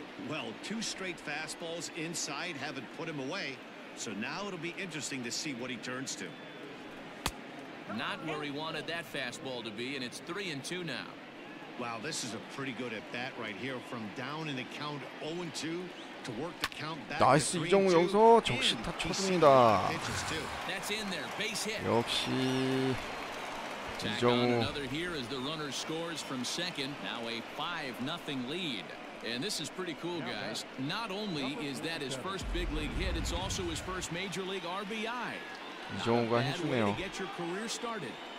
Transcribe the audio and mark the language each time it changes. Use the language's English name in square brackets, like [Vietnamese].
[English] Well, two straight fastballs inside haven't put him away. So now it'll be interesting to see what he turns to. Not where he wanted that fastball to be, and it's 3-2 now. Wow, this is a pretty good at bat right here from down in the count 0-2 to work the count back. [Korean] 나이스, 이정우 여기서 적시타 쳤습니다. [English] That's in there, base hit. [Korean] 역시 이정우. [English] Another here as the runner scores from second. Now a 5-0 lead. And this is pretty cool, guys. Not only is that his first big league hit, it's also his first major league RBI. Not a bad way to get your career started.